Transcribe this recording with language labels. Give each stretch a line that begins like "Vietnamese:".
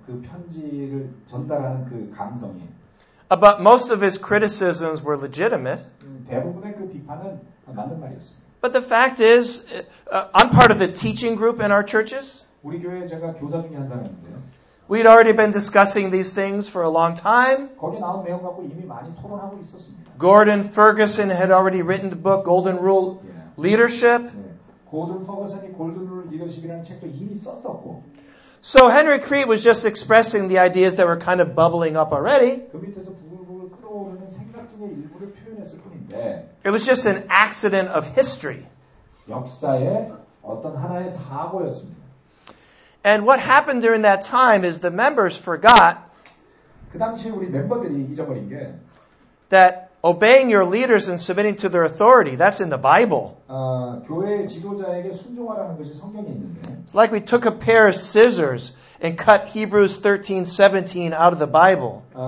Korean: 그 편지를 전달하는 그 감성이.
English: But most of his criticisms were legitimate.
Korean: 대부분의 그 비판은 맞는 말이었습니다.
English: But the fact is I'm part of the teaching group in our churches.
Korean: 우리 교회에 제가 교사 중에 한 사람인데요.
English: We'd already been discussing these things for a long time.
Korean: 거기 나온 내용 갖고 이미 많이 토론하고 있었습니다.
English: Gordon Ferguson had already written the book Golden Rule Leadership.
Korean: 고든 퍼거슨이 골든 룰 리더십이라는 책도 이미 썼었고.
English: So Henry Crete was just expressing the ideas that were kind of bubbling up already.
Korean: 그 밑에서 부글부글 끓어오르는 생각 중의 일부를 표현했을 뿐인데.
English: It was just an accident of history.
Korean: 역사의 어떤 하나의 사고였습니다.
English: And what happened during that time is the members forgot
Korean: 그 당시에 우리 멤버들이 잊어버린 게
English: that obeying your leaders and submitting to their authority, that's in the Bible.
Korean: 교회 지도자에게 순종하라는 것이 성경에 있는데
English: It's like we took a pair of scissors and cut Hebrews 13:17 out of the Bible.